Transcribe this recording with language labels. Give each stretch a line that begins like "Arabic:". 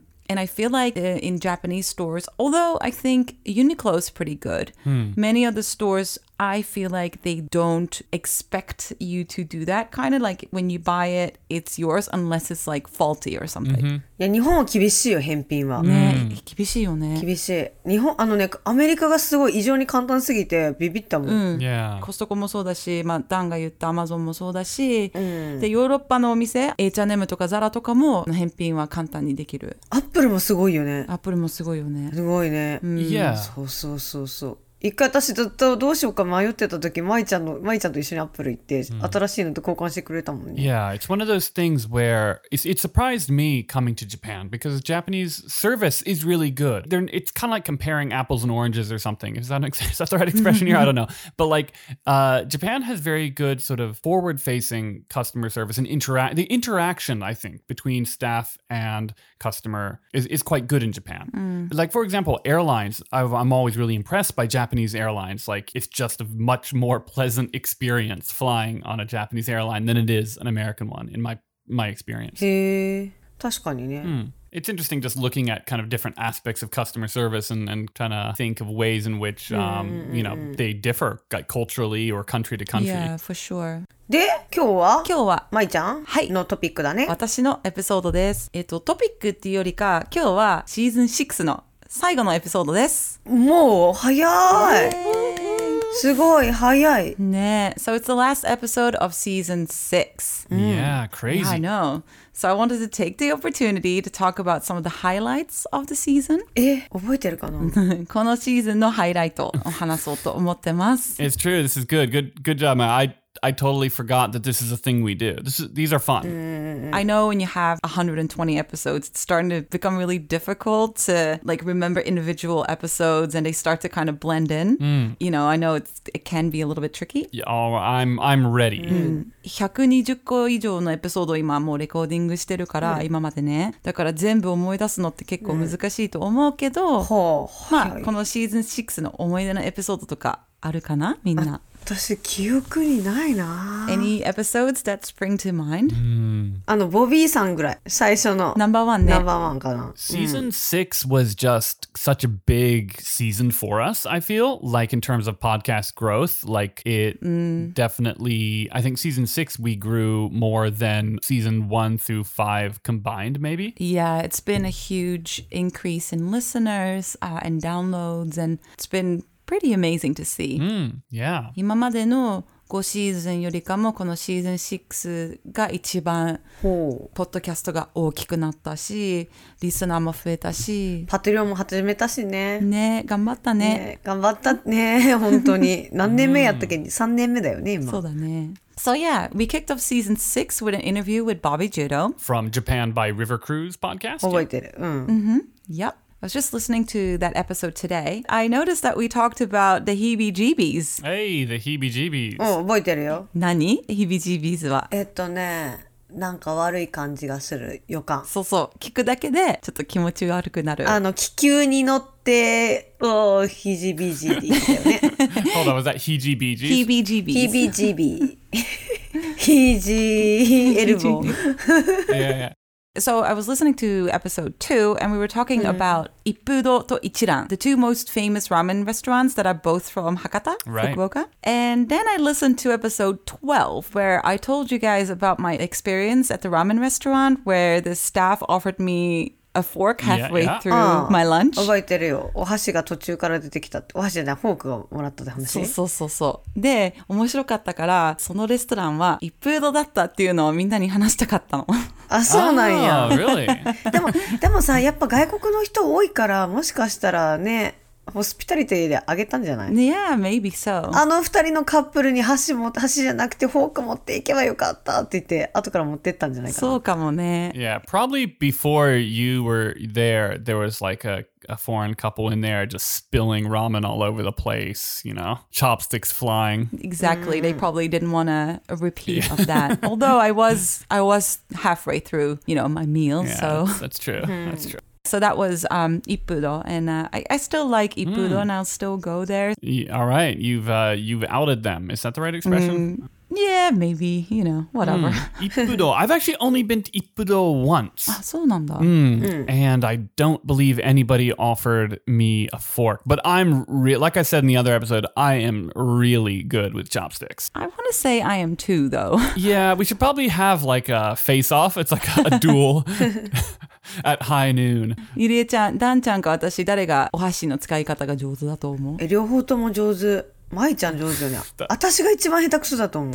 English: And I feel like in Japanese stores, although I think Uniqlo is pretty good, many other stores, I feel like they don't expect you to do that. Kind of like when you buy it, it's yours unless it's like faulty or something.
Japanese: Yeah, 日本は厳しいよ、返品は。ね、厳しいよね。厳しい。日本、あのね、アメリカがすごい異常に簡単すぎてビビったもん。
English: Yeah.
Japanese: コストコもそうだし、まあ、ダンが言ったアマゾンもそうだし、で、ヨーロッパのお店、H&M とかザラとかも返品は簡単にできる。アップルもすごいよね。アップルもすごいよね。すごいね。
English: Yeah.
Japanese: そうそうそうそう。一回私ずっとどうしようか迷ってた時、舞ちゃんと一緒にアップル行って、新しいのと交換してくれたもんね。
English: Yeah, it's one of those things where it surprised me coming to Japan because Japanese service is really good. It's kind of like comparing apples and oranges or something. Is that the right expression here? I don't know. But like, Japan has very good sort of forward-facing customer service and the interaction, I think, between staff and customer is quite good in Japan. Like, for example, airlines, I'm always really impressed by Japanese airlines. Like, it's just a much more pleasant experience flying on a Japanese airline than it is an American one, in my experience.
Japanese: へー、確かにね。
English: It's interesting just looking at kind of different aspects of customer service and trying to think of ways in which, you know, they differ like culturally or country to country. Yeah, for sure.
Japanese: で、今日は今日はまいちゃん、はい、のトピックだね。私のエピソードです。トピックっていうよりか、今日はシーズン6の最後のエピソードです。もう早い。すごい早い。
English: ね、So it's the last episode of season 6. Yeah, crazy. Yeah, I know. So I wanted to take the opportunity to talk about some of the highlights of the season.
Japanese: え、覚えてるかな？このシーズンのハイライトを話そうと思ってます。
English: It's true. This is good. Good job, man. I totally forgot that this is a thing we do. These are fun. I know when you have 120 episodes, it's starting to become really difficult to like remember individual episodes and they start to kind of blend in. Mm. You know, I know it can be a little bit tricky. Yeah, I'm ready. Mm.
Japanese: 120個以上のエピソードを今もうレコーディングしてるから、今までね。だから全部思い出すのって結構難しいと思うけど、まあ、このシーズン6の思い出のエピソードとかあるかな、みんな。私記憶にないな。
English: Any episodes that spring to mind?、 Mm.
Japanese: あのボビーさんぐらい最初のナンバーワンね。ナンバーワンかな。
English: Season 6 was just such a big season for us, I feel. Like in terms of podcast growth, like it、 mm. definitely, I think season 6 we grew more than season 1 through 5 combined maybe. Yeah, it's been a huge increase in listeners、and downloads and it's beenPretty amazing to see.、 Mm, yeah.
Japanese: 今までの5シーズンよりかもこのシーズン6が一番ポッドキャストが大きくなったし、リスナーも増えたし、パトリオンも始めたしね。ね、頑張ったね。ね、頑張ったね。本当に何年目やったっけ、3年目だよね今。そうだね。
English: So yeah, we kicked off season 6 with an interview with Bobby Judo from Japan by River Cruise podcast.
Japanese: 覚えてる。うん。
English: Mm-hmm. Yep. I was just listening to that episode today. I noticed that we talked about the heebie-jeebies. Hey, the heebie-jeebies.
Japanese: うん、覚えてるよ。何？heebie-jeebies は。ね、なんか悪い感じがする予感。そうそう、聞くだけでちょっと気持ち悪くなる。あの、気球に乗って、おー、heebie-jeebies だよね。
English: Hold on, was that heebie-jeebies? heebie-jeebies. heebie-jeebies. heebie-elbow. yeah, yeah. So I was listening to episode 2 and we were talking about Ippudo to Ichiran, the two most famous ramen restaurants that are both from Hakata, right. Fukuoka. And then I listened to episode 12 where I told you guys about my experience at the ramen restaurant where the staff offered me a fork halfway yeah, yeah. through my lunch.
Japanese: 覚えてるよ。お箸が途中から出てきた。お箸じゃない、フォークをもらったって話。そうそうそうそう。で、面白かったから、そのレストランは一風堂だったっていうのをみんなに話したかったの。あ、そうなんや。
English: Really?
Japanese: でもさ、やっぱ外国の人多いから、もしかしたらね、ホスピタリティであげたんじゃない
English: Yeah, maybe so.
Japanese: あの二人のカップルに箸じゃなくてフォーク持っていけばよかったって言って後から持ってったんじゃないかな。そうかもね。
English: Yeah, probably before you were there, there was like a foreign couple in there just spilling ramen all over the place, you know, chopsticks flying. Exactly.、Mm. They probably didn't want a repeat、yeah. of that. Although I was halfway through, you know, my meal, yeah, so. That's true.、Mm. That's true. So that was Ippudo, and I still like Ippudo, and I'll still go there. Yeah, all right, you've outed them. Is that the right expression? Yeah, maybe, you know, whatever. Ippudo. I've actually only been to Ippudo once.
Japanese: Ah, so なんだ.
English: And I don't believe anybody offered me a fork. But I'm, like I said in the other episode, I am really good with chopsticks. I want to say I am too, though. Yeah, we should probably have like a face-off. It's like a duel. At high noon.
Japanese: ゆりえちゃん、ダンちゃんか私、誰がお箸の使い方が上手だと思う？え、両方とも上手。まいちゃん上手よね。私が一番下手くそだと思う。